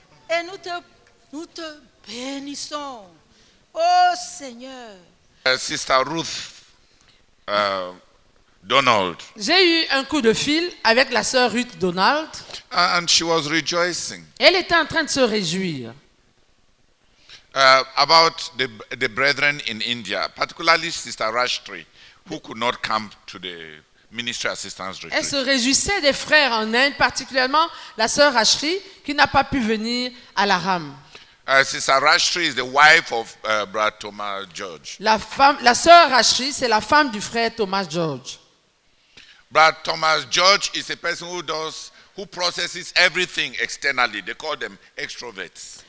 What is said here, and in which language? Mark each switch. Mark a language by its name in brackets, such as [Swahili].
[French] Et nous te bénissons. Oh Seigneur. [English] Sister Ruth Donald. [French] J'ai eu un coup de fil avec la sœur Ruth Donald. [English] And she was rejoicing. [French] Elle était en train de se réjouir. [English] About the brethren in India, particularly Sister Rashtri, who could not come to the Ministry Assistance Retreat. [French] Elle se réjouissait des frères en Inde, particulièrement la sœur Rashtri, qui n'a pas pu venir à la RAM. [English] Sister Rashtri is the wife of Brother Thomas George. [French] La sœur Rashtri, c'est la femme du frère Thomas George. [English] Brother Thomas George is a person who processes everything externally. They call them extroverts.